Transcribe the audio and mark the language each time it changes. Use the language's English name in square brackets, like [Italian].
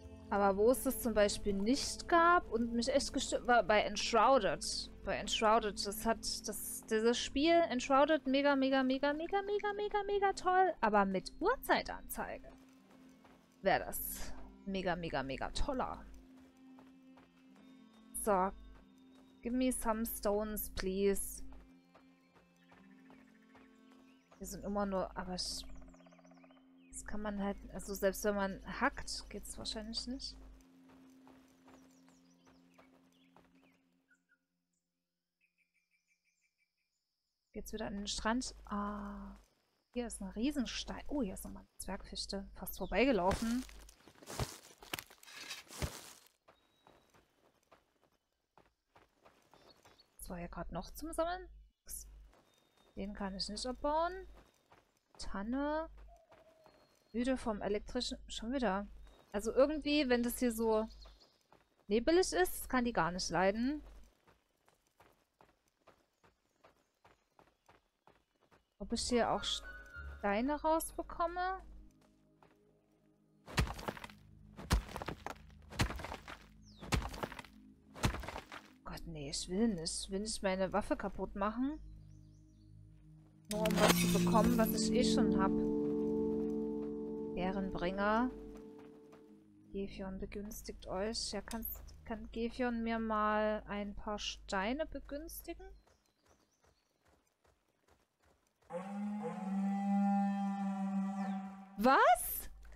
[German] Aber wo es das zum Beispiel nicht gab und mich echt gestört war, bei Enshrouded. Bei Enshrouded, das hat das, dieses Spiel Enshrouded mega, mega, mega, mega, mega, mega, mega toll. Aber mit Uhrzeitanzeige wäre das mega, mega, mega toller. So. [English] Give me some stones, please. [German] Die sind immer nur, aber ich... Das kann man halt, also selbst wenn man hackt, geht es wahrscheinlich nicht. Geht's wieder an den Strand? Ah, hier ist ein Riesenstein. Oh, hier ist nochmal eine Zwergfichte. Fast vorbeigelaufen. Was war hier gerade noch zum Sammeln? Den kann ich nicht abbauen. Tanne. Müde vom elektrischen... Schon wieder. Also irgendwie, wenn das hier so nebelig ist, kann die gar nicht leiden. Ob ich hier auch Steine rausbekomme? Gott, nee, ich will nicht. Ich will nicht meine Waffe kaputt machen. Nur um was zu bekommen, was ich eh schon habe. Ehrenbringer. Gefion begünstigt euch. Ja, kann Gefion mir mal ein paar Steine begünstigen? Was?